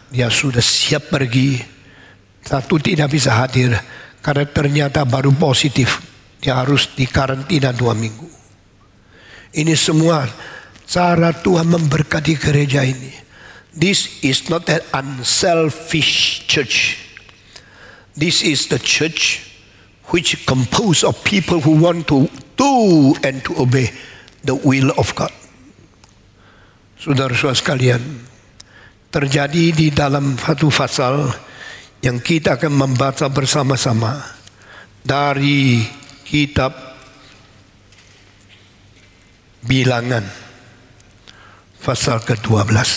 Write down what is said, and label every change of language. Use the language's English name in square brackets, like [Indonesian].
[Indonesian] dia sudah siap pergi. Satu tidak bisa hadir karena ternyata baru positif. Dia harus dikarantina 2 minggu. Ini semua cara Tuhan memberkati gereja ini. [English] This is not an unselfish church. This is the church which composed of people who want to do and to obey the will of God. [Indonesian] Saudara-saudara sekalian, terjadi di dalam satu pasal yang kita akan membaca bersama-sama dari kitab Bilangan pasal ke-12.